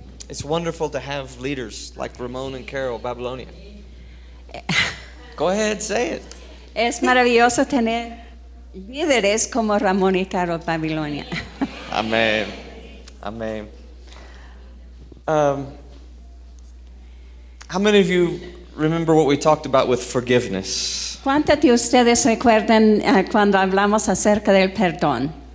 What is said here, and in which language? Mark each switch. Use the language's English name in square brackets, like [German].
[English] It's wonderful to have leaders like Ramon and Carol Babylonia. Go ahead, say it. [Spanish] Es maravilloso tener líderes como Ramón y Carol Babilonia. Amén. Amén. [English] How many of you remember what we talked about with forgiveness? [Spanish] ¿Cuántos de ustedes recuerdan cuando hablamos acerca del perdón?